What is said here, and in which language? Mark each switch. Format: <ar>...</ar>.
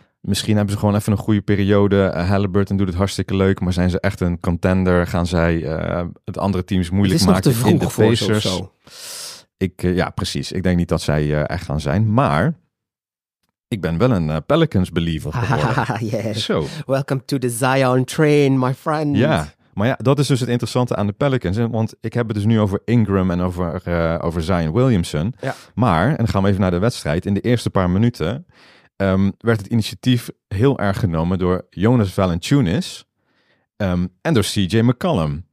<nl>Misschien hebben ze gewoon even een goede periode. Halliburton doet het hartstikke leuk. Maar zijn ze echt een contender? Gaan zij het andere teams moeilijk maken? Het is nog te vroeg voor ze of zo. Ja, precies. Ik denk niet dat zij echt gaan zijn. Maar ik ben wel een Pelicans believer geworden.</nl> <en>Yes. So. Welcome to the Zion train, my friend.</en> <nl>Ja, maar ja, dat is dus het interessante aan de Pelicans. Want ik heb het dus nu over Ingram en over Zion Williamson. Ja. Maar, en dan gaan we even naar de wedstrijd. In de eerste paar minuten... werd het initiatief heel erg genomen door Jonas Valanciunas en door CJ McCollum.</nl>